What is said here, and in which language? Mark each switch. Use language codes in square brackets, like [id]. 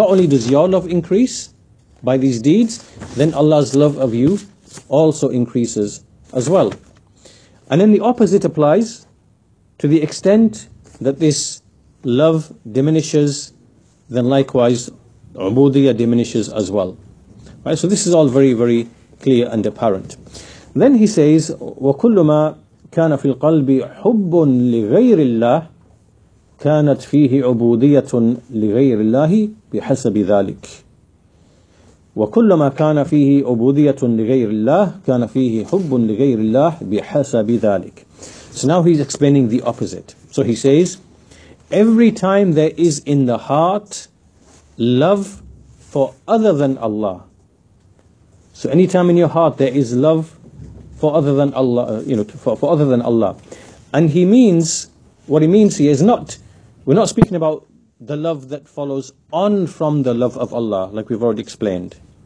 [en] Not only does your love increase by these deeds, then Allah's love of you also increases as well. And then the opposite applies to the extent that this love diminishes, then likewise, ubudiyyah diminishes as well. Right? So this is all very, very clear and apparent. Then he says, [ar] وَكُلُّ مَا كَانَ فِي الْقَلْبِ حُبٌّ لِغَيْرِ اللَّهِ كَانَتْ فِيهِ عُبُودِيَّةٌ لِغَيْرِ اللَّهِ بِحَسَبِ ذَلِكَ. وَكُلُّ مَا كَانَ فِيهِ عُبُودِيَّةٌ لِغَيْرِ اللَّهِ كَانَ فِيهِ حُبٌّ لِغَيْرِ اللَّهِ بِحَسَبِ ذَلِكَ. [en] So now he's explaining the opposite. So he says, every time there is in the heart love for other than Allah, so any time in your heart there is love for other than Allah, you know, for other than Allah, and he means, what he means here is not, we're not speaking about the love that follows on from the love of Allah, like we've already explained.